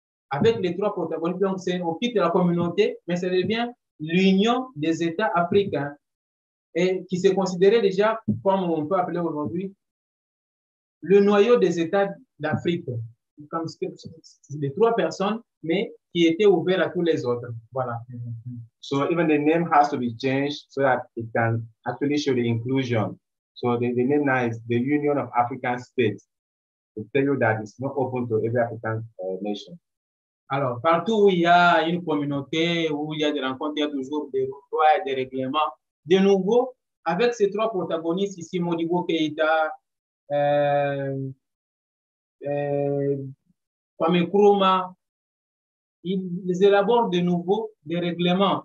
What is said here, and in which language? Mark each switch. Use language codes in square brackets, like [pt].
[fr] Avec les trois protocoles, donc c'est, on quitte la communauté, mais ça devient l'Union des États africains, et qui se considérait déjà, comme on peut appeler aujourd'hui, le noyau des États d'Afrique. Comme c'est les trois personnes, mais qui était ouvert à tous les autres. Voilà. [en] So even the name has to be changed so that it can actually show the inclusion. So the name now is the Union of African States. To tell you that it's not open to every African nation. [fr] Alors, partout où il y a une communauté, où il y a des rencontres, il y a toujours des lois, des règlements. De nouveau, avec ces trois protagonistes ici, Modibo Keïta, Kwame Nkrumah, ils élaborent de nouveau des règlements.